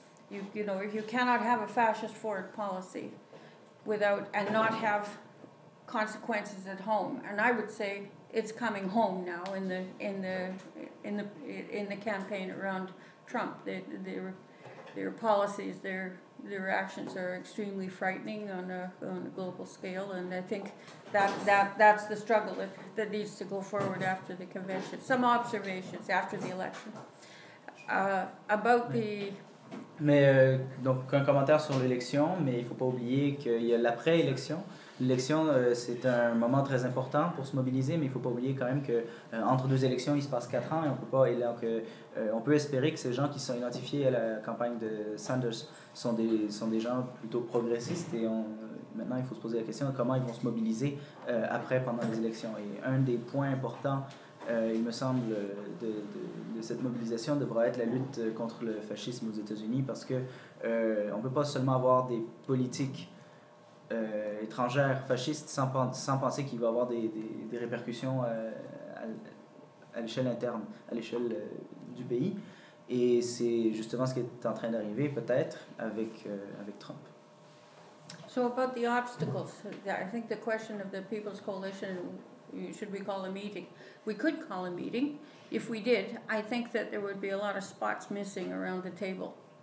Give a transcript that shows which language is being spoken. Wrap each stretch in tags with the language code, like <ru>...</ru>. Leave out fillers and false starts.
<en>You know, if you cannot have a fascist foreign policy without and not have consequences at home, and I would say it's coming home now in the campaign around Trump. Their policies, their actions are extremely frightening on a global scale, and I think that's the struggle that needs to go forward after the convention. Some observations after the election about the.</en> <fr>Mais donc un commentaire sur l'élection, mais il faut pas oublier qu'il y a l'après-élection. L'élection, c'est un moment très important pour se mobiliser, mais il faut pas oublier quand même que entre deux élections, il se passe 4 ans et on peut espérer que ces gens qui sont identifiés à la campagne de Sanders sont des gens plutôt progressistes et maintenant il faut se poser la question de comment ils vont se mobiliser après, pendant les élections. Et un des points importants, il me semble, de cette mobilisation devra être la lutte contre le fascisme aux États-Unis, parce que on peut pas seulement avoir des politiques étrangères fascistes sans penser qu'il va avoir des répercussions à l'échelle interne, à l'échelle du pays, et c'est justement ce qui est en train d'arriver peut-être avec Trump.</fr> <en>So about the obstacles, I think the question of the People's Coalition. Should we call a meeting? We could call a meeting. If we did, I think that there would be a lot of spots missing around the table.</en>